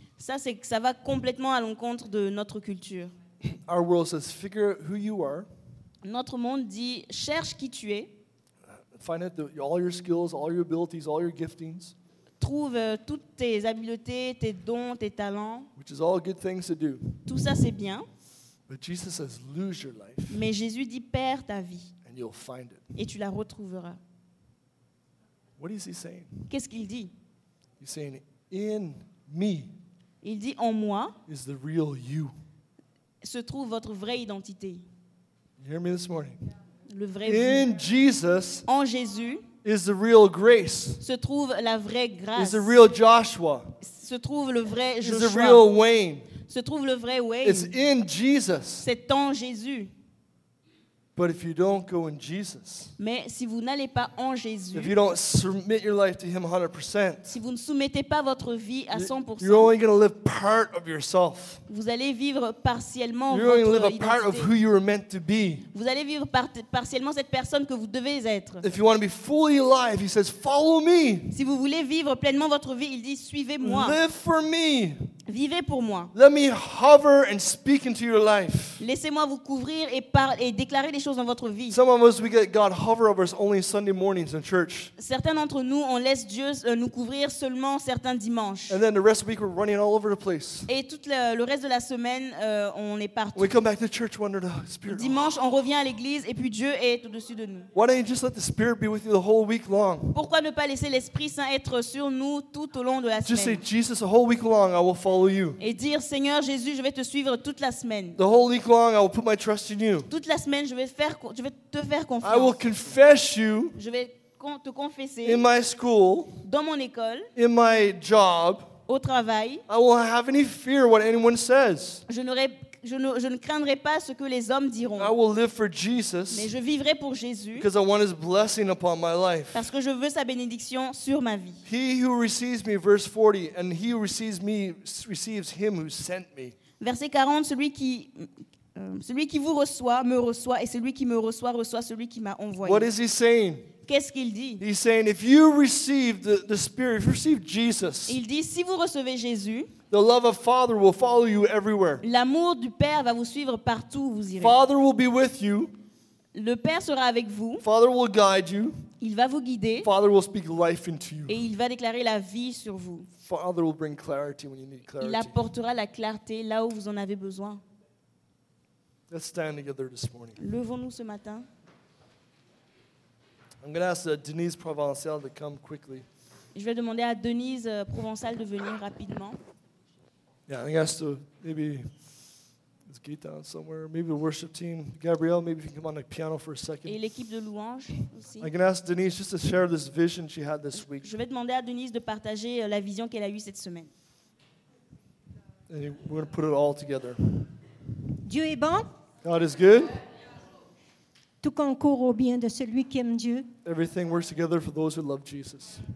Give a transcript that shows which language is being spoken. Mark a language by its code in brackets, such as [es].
[fr] Ça va complètement à l'encontre de notre culture. [en] Our world says, figure out who you are. [fr] Notre monde dit, cherche qui tu es. [en] Find out all your skills, all your abilities, all your giftings. [fr] Trouve toutes tes habiletés, tes dons, tes talents. [en] Which is all good things to do. [fr] Tout ça, c'est bien. [en] But Jesus says, lose your life. [fr] Mais Jésus dit, perds ta vie. [en] And you'll find it. [fr] Et tu la retrouveras. [en] What is he saying? [fr] Qu'est-ce qu'il dit? [en] He's saying, in me. [fr] Il dit en moi. [en] Is the real you. [fr] Se trouve votre vraie identité. [en] You hear me this morning. [fr] Le vrai [en] in [fr] vous. [en] Jesus. [fr] En Jésus. [en] Is the real grace. [fr] Se trouve la vraie grâce. [en] Is the real Joshua. [fr] Se trouve le vrai Joshua. [en] Is the real Wayne. [fr] Se trouve le vrai Wayne. [en] It's in Jesus. [fr] C'est en Jésus. [en] But if you don't go in Jesus, [fr] mais si vous n'allez pas en Jésus, [en] if you don't submit your life to him 100%, [fr] si vous ne soumettez pas votre vie à 100%, [en] you're only going to live part of yourself. [fr] Vous allez vivre partiellement [en] you're [fr] votre [en] only live [fr] identité. [en] A part of who you were meant to be. [fr] Vous allez vivre partiellement cette personne que vous devez être. [en] If you want to be fully alive, he says, follow me. [fr] Si vous voulez vivre pleinement votre vie, il dit, suivez-moi. [en] Live for me. [fr] Vivez pour moi. [en] Let me hover and speak into your life. [fr] Laissez-moi vous couvrir et parler et déclarer des choses dans votre vie. [en] Some of us we get God hover over us only Sunday mornings in church. [fr] Certains d'entre nous on laisse Dieu nous couvrir seulement certains dimanches. [en] And then the rest of the week we're running all over the place. [fr] Et tout le reste de la semaine on est partout. [en] We come back to church under the Spirit. [fr] Dimanche on revient à l'église et puis Dieu est au-dessus de nous. [en] Why don't you just let the Spirit be with you the whole week long? [fr] Pourquoi ne pas laisser l'Esprit Saint être sur nous tout au long de la semaine? [en] Just say Jesus the whole week long I will follow. [fr] Et dire Seigneur Jésus, je vais te suivre toute la semaine. [en] The whole week long, I will put my trust in you. [fr] Toute la semaine, je vais te faire confiance. [en] I will confess you. [fr] Je vais te confesser. [en] In my school. [fr] Dans mon école. [en] In my job. [fr] Au travail. [en] I will have any fear what anyone says. [fr] Je ne craindrai pas ce que les hommes diront. [en] I will live for Jesus. [fr] Mais je vivrai pour Jésus. [en] Because I want his blessing upon my life. [fr] Parce que je veux sa bénédiction sur ma vie. [en] He who receives me, verse 40, and he who receives me receives him who sent me. [fr] Verset 40, celui qui vous reçoit me reçoit et celui qui me reçoit reçoit celui qui m'a envoyé. [en] What is he saying? [fr] Qu'est-ce qu'il dit? [en] He's saying if you receive the Spirit, if you receive Jesus. [fr] Il dit si vous recevez Jésus. [en] The love of Father will follow you everywhere. [fr] L'amour du Père va vous suivre partout où vous irez. [en] Father will be with you. [fr] Le Père sera avec vous. [en] Father will guide you. [fr] Il va vous guider. [en] Father will speak life into you. [fr] Et il va déclarer la vie sur vous. [en] Father will bring clarity when you need clarity. [fr] Il apportera la clarté là où vous en avez besoin. [en] Let's stand together this morning. [fr] Levons-nous ce matin. [en] I'm going to ask Denise Provençal to come quickly. [fr] Je vais demander à Denise Provençal de venir rapidement. [en] Yeah, I guess to maybe let's get down somewhere. Maybe the worship team, Gabrielle, maybe you can come on the piano for a second. [fr] Et l'équipe de louange aussi. [en] I'm going to ask Denise just to share this vision she had this week. [fr] Je vais demander à Denise de partager la vision qu'elle a eue cette semaine. [en] And we're going to put it all together. [fr] Dieu est bon. [en] God is good. [fr] Tout concourt au bien de celui qui aime Dieu. [en] Everything works together for those who love Jesus.